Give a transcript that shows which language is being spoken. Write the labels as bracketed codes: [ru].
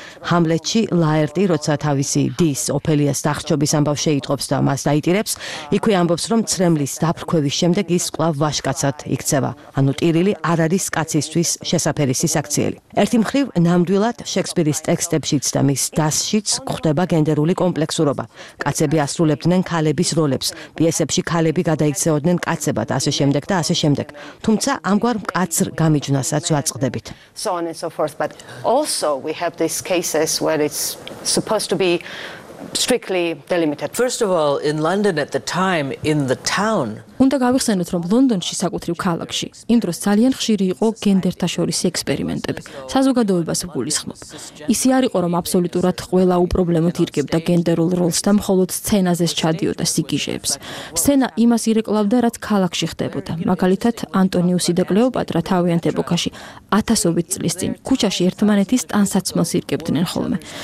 [ka] ჰამლეტში ლაერტი, როცა თავისი დის ოფელიას დახრჩობის ამბავს შეიტყობს და მას დაიტირებს, იქვე ამბობს, რომ ცრემლის დაფრქვევის შემდეგ ის კვლავ ვაჟკაცად იქცევა, ანუ ტირილი არ არის კაცისთვის შესაფერის სისაქციელი. ერთი მხრივ, ნამდვილად შექსპირის ტექსტებშიც და მის დასშიც გვხვდება გენდერული კომპლექსურობა. კაცები ასრულებდნენ ქალების როლებს, პიესებში ქალები გადაიქცეოდნენ კაცებად, ასე შემდეგ და ასე შემდეგ. თუმცა ამგვარ მკაცრ გამიჯნას საცვაწყდებით. [en] So on and so forth, but also we have these cases where it's supposed to be strictly delimited. First of all, in London at the time in the town. [ka] უნდა გავიხსენოთ, რომ ლონდონში საკუთრივ ქალაქში იმ დროს ძალიან ხშირი იყო გენდერთა შორის ექსპერიმენტები. საზოგადოებას უგულისხმობ. ისე არ იყო, რომ აბსოლუტურად ყველა უპრობლემოდ ირგებდა გენდერულ როლს და მხოლოდ სცენაზე ჩადიოდა სიგიჟეებს. სცენა იმას ირეკლავდა, რაც ქალაქში ხდებოდა. მაგალითად, ანტონიუსი და კლეოპატრა თავიანთ ეპოქაში ათასობით წლის წინ ქუჩაში ერთმანეთის ტანსაცმელს ირგებდნენ ხოლმე.